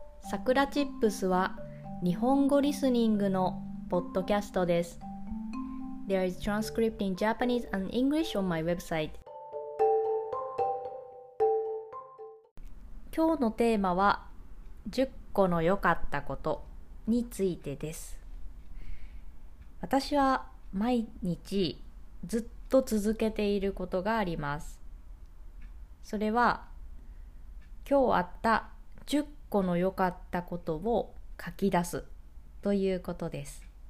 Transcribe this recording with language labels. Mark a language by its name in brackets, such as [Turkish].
[Japanese] さくらチップスは日本語リスニングのポッドキャストです。 [English] There is transcript in Japanese and English on my website。 [Japanese] 今日のテーマは10個の良かったことについてです。私は毎日ずっと続けていることがあります。それは今日あった10個の良かったことを書き出すということです。